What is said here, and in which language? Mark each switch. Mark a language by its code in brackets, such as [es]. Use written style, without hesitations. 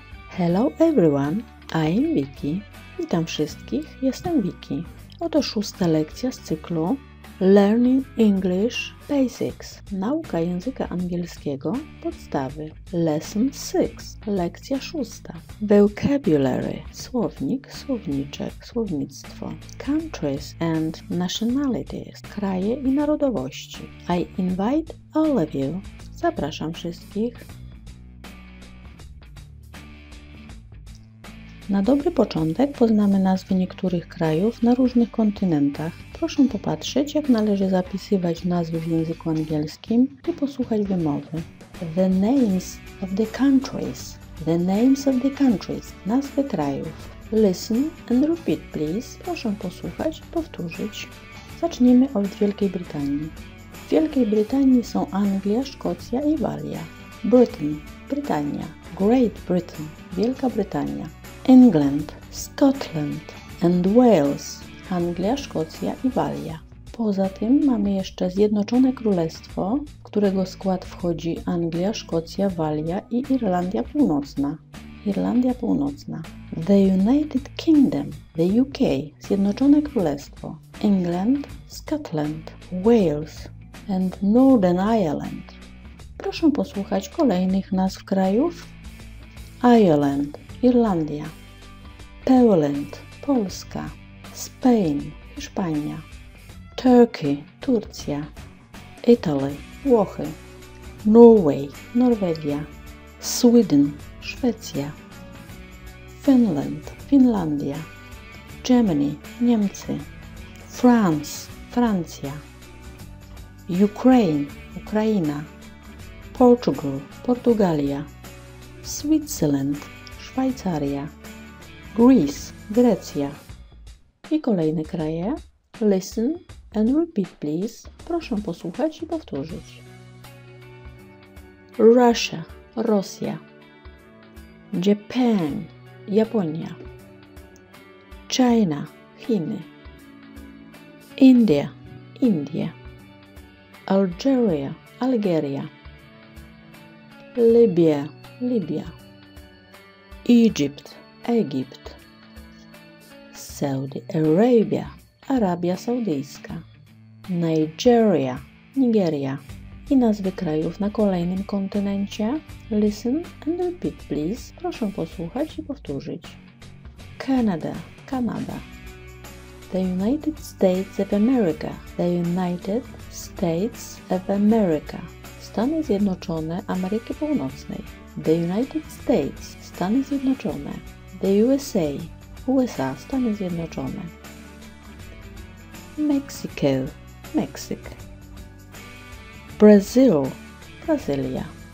[en] Hello everyone, I'm Vicky. [pl] Witam wszystkich, jestem Vicky. Oto szósta lekcja z cyklu Learning English Basics. Nauka języka angielskiego, podstawy. [en] Lesson 6, [pl] lekcja szósta. [en] Vocabulary, [pl] słownik, słowniczek, słownictwo. [en] Countries and nationalities, [pl] kraje i narodowości. [en] I invite all of you, [pl] zapraszam wszystkich. Na dobry początek poznamy nazwy niektórych krajów na różnych kontynentach. Proszę popatrzeć, jak należy zapisywać nazwy w języku angielskim i posłuchać wymowy. [en] The names of the countries. The names of the countries. [pl] Nazwy krajów. [en] Listen and repeat, please. [pl] Proszę posłuchać, powtórzyć. Zacznijmy od Wielkiej Brytanii. W Wielkiej Brytanii są Anglia, Szkocja i Walia. Britain. Brytania. Great Britain. Wielka Brytania. England, Scotland and Wales, Anglia, Szkocja i Walia. Poza tym mamy jeszcze Zjednoczone Królestwo, w którego skład wchodzi Anglia, Szkocja, Walia i Irlandia Północna. [en] Irlandia Północna. The United Kingdom, the UK, Zjednoczone Królestwo. England, Scotland, Wales and Northern Ireland. [pl] Proszę posłuchać kolejnych nazw krajów. Ireland, Irlandia. Poland, Polska. Spain, Hiszpania. Turkey, Turcja. Italy, Włochy. Norway, Norwegia. Sweden, Szwecja. Finland, Finlandia. Germany, Niemcy. France, Francja. Ukraine, Ukraina. Portugal, Portugalia. Switzerland, Szwajcaria. Greece, Grecja. I kolejne kraje. [en] Listen and repeat, please. [pl] Proszę posłuchać i powtórzyć. Russia, Rosja. Japan, Japonia. China, Chiny. India, Indie. Algeria, Algeria. Libya, Libia. Egypt, Egipt. Saudi Arabia, Arabia Saudyjska. Nigeria, Nigeria. I nazwy krajów na kolejnym kontynencie. [en] Listen and repeat, please. [pl] Proszę posłuchać i powtórzyć. Canada, Kanada. [en] The United States of America. The United States of America. [pl] Stany Zjednoczone Ameryki Północnej. [en] The United States, Stany Zjednoczone. The USA, USA, Stany Zjednoczone. [pl] Mexico, Meksyk. Brazil, Brazylia.